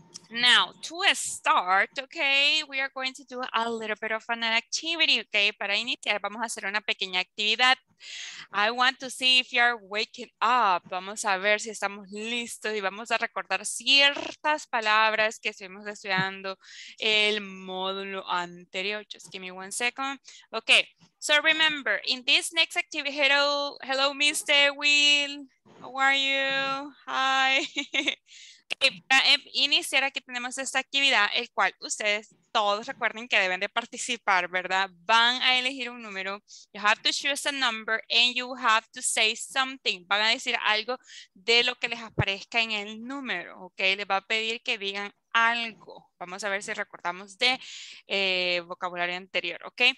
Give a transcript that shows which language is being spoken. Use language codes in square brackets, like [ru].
[en] Now, to start, okay, we are going to do a little bit of an activity, okay? [es] Para iniciar, vamos a hacer una pequeña actividad. [en] I want to see if you're waking up. [es] Vamos a ver si estamos listos y vamos a recordar ciertas palabras que estuvimos estudiando el módulo anterior. [en] Just give me one second. Okay, so remember, in this next activity, hello, Mr. Will. How are you? Hi. [es] Para iniciar, aquí tenemos esta actividad, el cual ustedes todos recuerden que deben de participar, ¿verdad? Van a elegir un número. [en] You have to choose a number and you have to say something. [es] Van a decir algo de lo que les aparezca en el número, ¿ok? Les va a pedir que digan algo. Vamos a ver si recordamos de vocabulario anterior, ¿ok?